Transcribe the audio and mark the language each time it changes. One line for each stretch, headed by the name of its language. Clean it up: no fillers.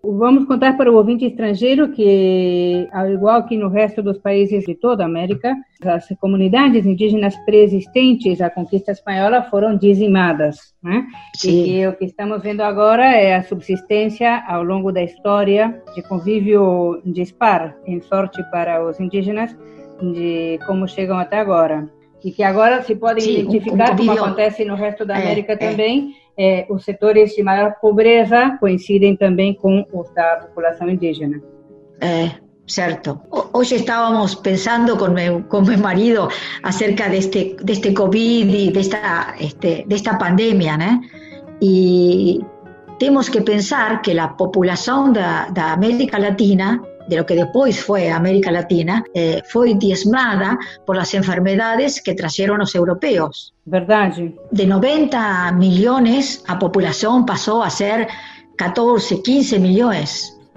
Spanish: Vamos a contar para el ouvinte extranjero que, al igual que en el resto de los países de toda América, las comunidades indígenas preexistentes a la conquista española fueron dizimadas, ¿no? Sí. Y lo que estamos viendo ahora es la subsistencia a lo largo de la historia de convivio dispar, en sorte para los indígenas,
Portuguese: de como chegam até agora. E que agora se podem identificar, como acontece no resto da América também, os setores de maior pobreza coincidem também com os da população indígena. Certo. Hoje estávamos pensando com meu marido acerca deste COVID e desta pandemia, né? E temos que pensar que a população da América Latina,
Spanish: de lo que después fue América Latina, fue diezmada por las enfermedades que trajeron los europeos. ¿Verdad? De 90 millones, la población pasó a ser 14, 15 millones.